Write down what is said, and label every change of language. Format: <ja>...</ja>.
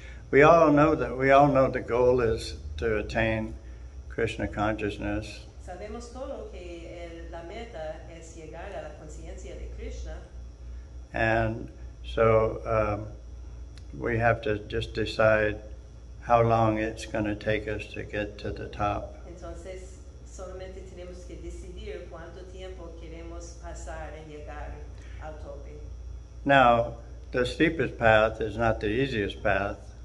<en>We all know the goal is to attain Krishna consciousness.</en> <es>Sabemos todo que la meta es llegar a la conciencia de Krishna.</es> <en>And so we have to just decide how long it's going to take us to get to the top.</en> <es>Entonces solamente tenemos que decidir cuánto tiempo queremos pasar en llegar al tope.</es> <en>Now, the steepest path is not the easiest path.</en>